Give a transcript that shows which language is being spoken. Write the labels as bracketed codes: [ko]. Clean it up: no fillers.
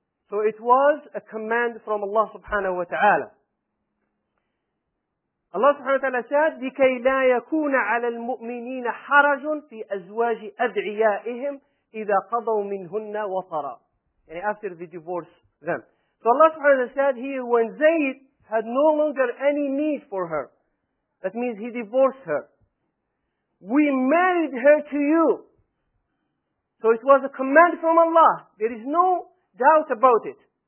[en] So it was a command from Allah subhanahu wa ta'ala. Allah subhanahu wa ta'ala said, [ar] لِكَيْ لَا يَكُونَ عَلَى الْمُؤْمِنِينَ حَرَجٌ فِي أَزْوَاجِ أَدْعِيَائِهِمْ إِذَا قَضَوْا مِنْهُنَّ وَطَرًا. [en] And after the divorce them. So Allah subhanahu wa ta'ala said here, when Zayd had no longer any need for her, that means he divorced her, we married her to you. So it was a command from Allah. There is no doubt about it.